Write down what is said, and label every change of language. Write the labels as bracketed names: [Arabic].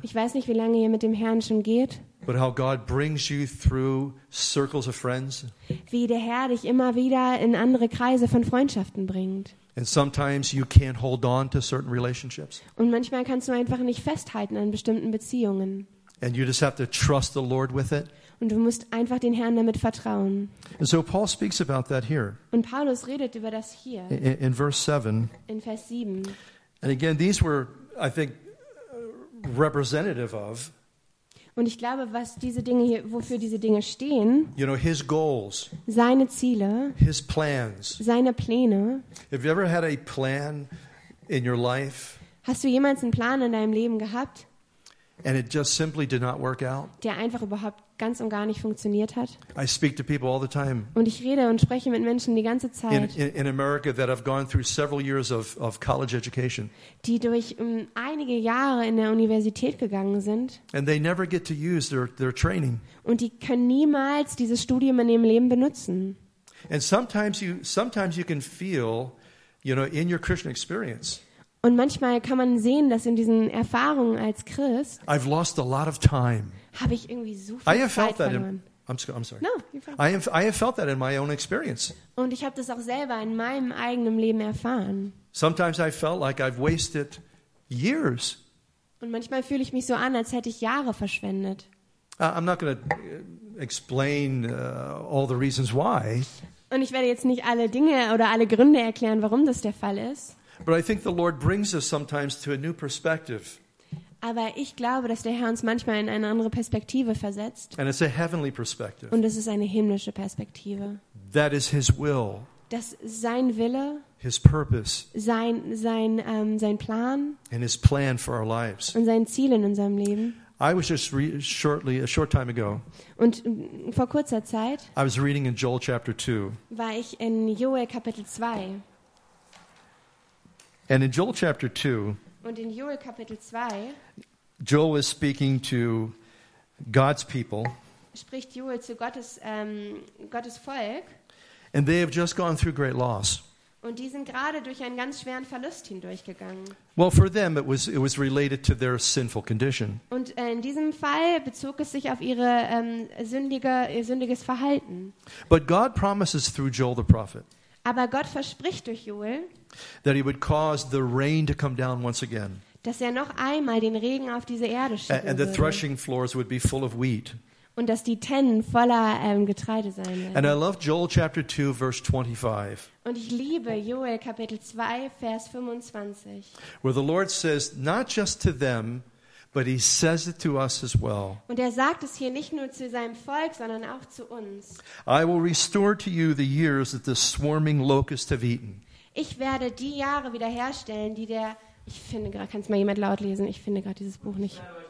[German] Ich weiß nicht, wie lange ihr mit dem Herrn schon geht. [English] But how God brings you through circles of friends. [German] Wie der Herr dich immer wieder in andere Kreise von Freundschaften bringt. [English] And sometimes you can't hold on to certain relationships. [German] Und manchmal kannst du einfach nicht festhalten an bestimmten Beziehungen. [English] And you just have to trust the Lord with it. [German] Und du musst einfach den Herrn damit vertrauen. [English] And so Paul speaks about that here. [German] Und Paulus redet über das hier. [English] In verse 7. [German] In Vers 7. [English] And again, these were, I think, representative of. [German] Und ich glaube, was diese Dinge hier, wofür diese Dinge stehen. [English] You know, his goals. [German] Seine Ziele. [English] His plans. [German] Seine Pläne. [English] Have you ever had a plan in your life? [German] Hast du jemals einen Plan in deinem Leben gehabt? [English] And it just simply did not work out. [German] Der einfach überhaupt ganz und gar nicht funktioniert hat. [English] I speak to people all the time. [German] Und ich rede und spreche mit Menschen die ganze Zeit. [English] In America that have gone through several years of college education. [German] Die durch einige Jahre in der Universität gegangen sind. [English] And they never get to use their training. [German] Und die können niemals dieses Studium in ihrem Leben benutzen. [English] And sometimes you can feel, you know, in your Christian experience. [German] Und manchmal kann man sehen, dass in diesen Erfahrungen als Christ [English] I've lost a lot of time. [German] Habe ich irgendwie so viel Zeit verloren. [English] In, I'm sorry. No, I have felt that in my own experience. [German] Und ich habe das auch selber in meinem eigenen Leben erfahren. [English] Sometimes I felt like I've wasted years. [German] Und manchmal fühle ich mich so an, als hätte ich Jahre verschwendet. [English] I'm not going to explain all the reasons why. [German] Und ich werde jetzt nicht alle Dinge oder alle Gründe erklären, warum das der Fall ist. [English] But I think the Lord brings us sometimes to a new perspective. [German] Aber ich glaube, dass der Herr uns manchmal in eine andere Perspektive versetzt. [English] And it's a heavenly perspective. [German] Und es ist eine himmlische Perspektive. [English] That is his will. [German] Das ist sein Wille. [English] His purpose. [German] Sein Plan. [English] And his plan for our lives. [German] Und sein Ziel in unserem Leben. [English] I was just a short time ago. [German] Und vor kurzer Zeit. [English] I was reading in Joel chapter 2. [German] War ich in Joel Kapitel 2. [English] And in Joel chapter 2. [German] Und in Joel Kapitel 2. [English] Joel is speaking to God's people. [German] Spricht Joel zu Gottes Volk. [English] And they have just gone through great loss. [German] Und die sind gerade durch einen ganz schweren Verlust hindurchgegangen. [English] Well, for them it was related to their sinful condition. [German] Und in diesem Fall bezog es sich auf ihre sündiges Verhalten. [English] But God promises through Joel the prophet. [German] Aber Gott verspricht durch Joel, [English] that he would cause the rain to come down once again. [German] Dass er noch einmal den Regen auf diese Erde schicken würde. [English] And the threshing floors would be full of wheat. [German] Und dass die Tennen voller Getreide sein werden. [English] And I love Joel chapter 2 verse 25. [German] Und ich liebe Joel Kapitel 2 Vers 25. [English] Where the Lord says not just to them, but he says it to us as well. [German] Und er sagt es hier nicht nur zu seinem Volk, sondern auch zu uns. [English] I will restore to you the years that the swarming locusts have eaten. [German] Ich werde die Jahre wiederherstellen, die der ich finde gerade, kannst mal jemand laut lesen, ich finde gerade dieses Buch nicht.